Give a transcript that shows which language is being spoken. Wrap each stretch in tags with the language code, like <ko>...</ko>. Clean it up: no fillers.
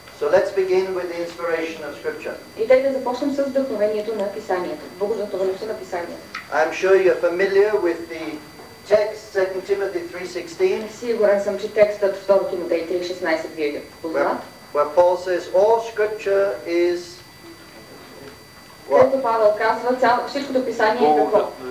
<en>So let's begin with the inspiration of Scripture.</en> <bg>И дай да започнем с вдъхновението на писанието, Богодухновеността на писанието.</bg> <en>I'm sure you're familiar with the text 2 Timothy 3:16.</en> <bg>Сигурен съм, че текстът 2 Тимотей 3:16 вие го познавате.</bg> <en>Where Paul says all Scripture is.</en> <bg>Тето Павел казва, всичкото писание е какво?</bg>